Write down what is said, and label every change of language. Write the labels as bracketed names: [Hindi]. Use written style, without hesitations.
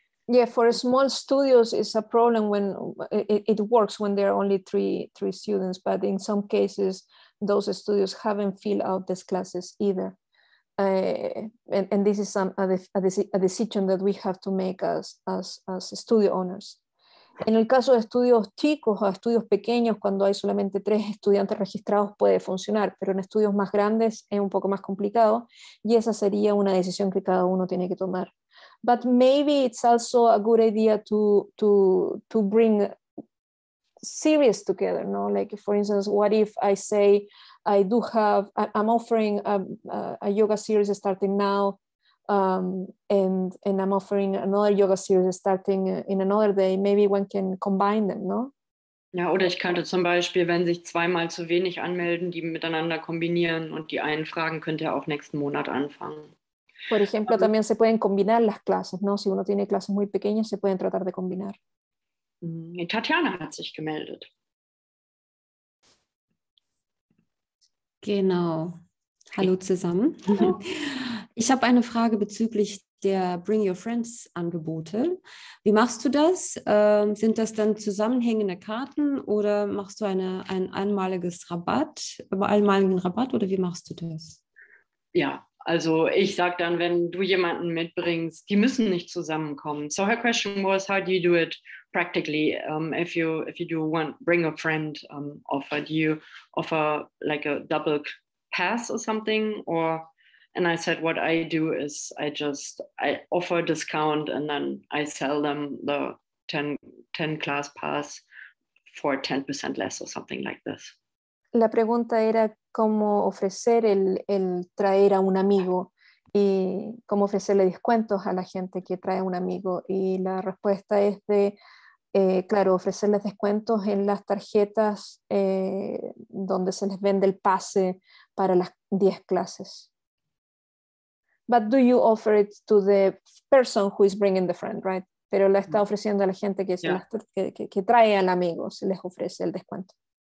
[English] Yeah, for small studios it's a problem when it works when there are only three students, but in some cases those studios haven't filled out these classes either. And this is a decision that we have to make as studio owners. [Spanish] En el caso de estudios chicos o estudios pequeños, cuando hay solamente tres estudiantes registrados, puede funcionar, pero en estudios más grandes es un poco más complicado y esa sería una decisión que cada uno tiene que tomar. [English] But maybe it's also a good idea to bring series together, no? Like, for instance, what if I say I'm offering a yoga series starting now, And I'm offering another yoga series starting in another day. Maybe one can combine them, no? [German] Ja, oder ich könnte zum Beispiel, wenn sich zweimal zu wenig anmelden, die miteinander kombinieren und die einen fragen, könnt ihr auch nächsten Monat anfangen. [Spanish] Por ejemplo, también se pueden combinar las clases, ¿no? Si uno tiene clases muy pequeñas, se pueden tratar de combinar. [German] Tatjana hat sich gemeldet. Genau. Hallo zusammen. Hallo. Ich habe eine Frage bezüglich der Bring Your Friends Angebote. Wie machst du das? Sind das dann zusammenhängende Karten oder machst du einen einmaligen Rabatt oder wie machst du das? Ja. Also ich sage dann, wenn du jemanden mitbringst, die müssen nicht zusammenkommen. [English] So her question was, how do you do it practically? If you do one bring a friend offer, do you offer like a double pass or something? Or, and I said, what I do is I offer a discount and then I sell them the 10 class pass for 10% less or something like this. [Spanish] La pregunta era cómo ofrecer el traer a un amigo y cómo ofrecerle descuentos a la gente que trae a un amigo. Y la respuesta es de, claro, ofrecerles descuentos en las tarjetas donde se les vende el pase para las 10 clases. [English] But do you offer it to the person who is bringing the friend, right? [Spanish] Pero la está ofreciendo a la gente que, yeah. que trae al amigo, se les ofrece el descuento.